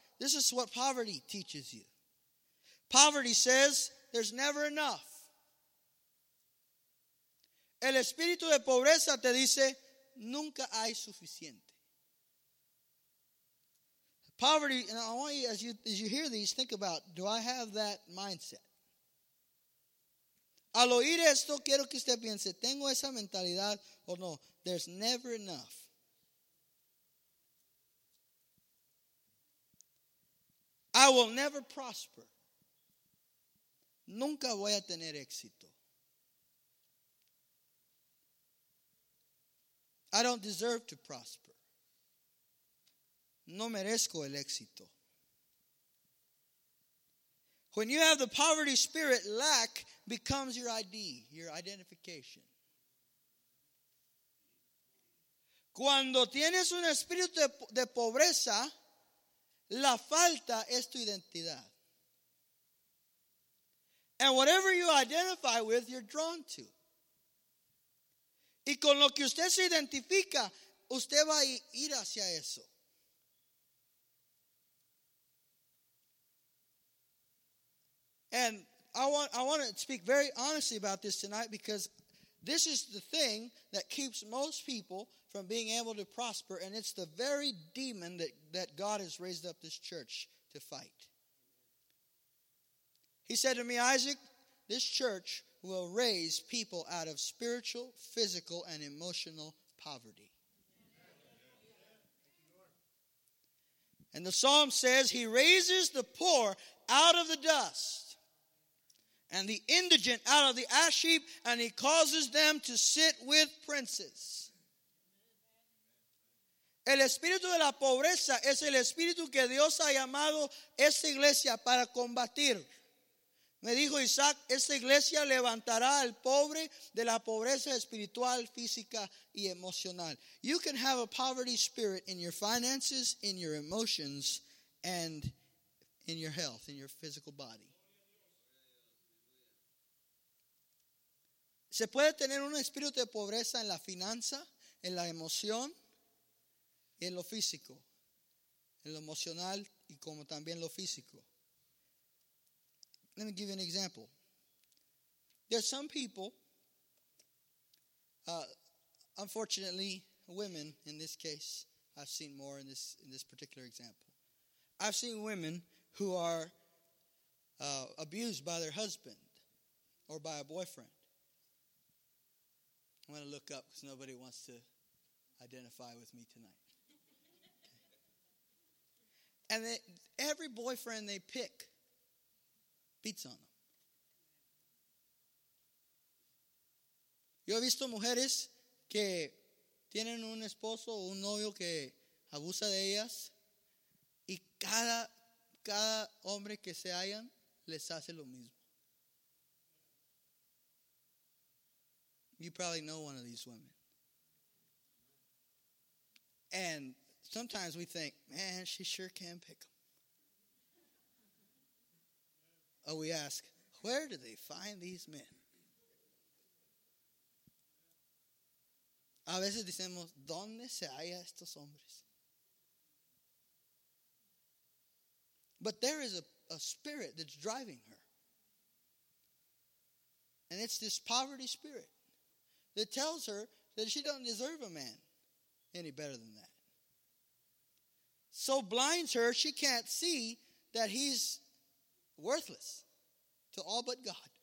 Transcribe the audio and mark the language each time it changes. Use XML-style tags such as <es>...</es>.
<en>This is what poverty teaches you. Poverty says, there's never enough.</en> <es>El espíritu de pobreza te dice, nunca hay suficiente.</es> <en>Poverty, and I want you, as you hear these, think about, do I have that mindset?</en> <es>Al oír esto, quiero que usted piense, ¿tengo esa mentalidad o no?</es> <en>There's never enough. I will never prosper.</en> <es>Nunca voy a tener éxito.</es> <en>I don't deserve to prosper.</en> <es>No merezco el éxito.</es> <en>When you have the poverty spirit, lack becomes your ID, your identification.</en> <es>Cuando tienes un espíritu de pobreza, la falta es tu identidad.</es> <en>And whatever you identify with, you're drawn to.</en> <es>Y con lo que usted se identifica, usted va a ir hacia eso.</es> <en>And I want to speak very honestly about this tonight, because this is the thing that keeps most people from being able to prosper, and it's the very demon that God has raised up this church to fight. He said to me, Isaac, this church will raise people out of spiritual, physical, and emotional poverty. And the psalm says, he raises the poor out of the dust and the indigent out of the ash heap, and he causes them to sit with princes.</en> <es>El espíritu de la pobreza es el espíritu que Dios ha llamado esta iglesia para combatir. Me dijo Isaac, esta iglesia levantará al pobre de la pobreza espiritual, física y emocional.</es> <en>You can have a poverty spirit in your finances, in your emotions, and in your health, in your physical body.</en> <es>Se puede tener un espíritu de pobreza en la finanza, en la emoción, y en lo físico, en lo emocional y como también lo físico.</es> <en>Let me give you an example. There's some people, unfortunately, women in this case, I've seen more in this particular example. I've seen women who are abused by their husband or by a boyfriend. I'm going to look up because nobody wants to identify with me tonight. And they, every boyfriend they pick beats on them.</en> <es>Yo he visto mujeres que tienen un esposo o un novio que abusa de ellas y cada hombre que se hallan les hace lo mismo.</es> <en>You probably know one of these women. And sometimes we think, man, she sure can pick them. Or we ask, where do they find these men?</en> <es>A veces decimos, ¿dónde se halla estos hombres?</es> <en>But there is a spirit that's driving her. And it's this poverty spirit that tells her that she doesn't deserve a man any better than that. So blinds her, she can't see that he's worthless to all but God.</en>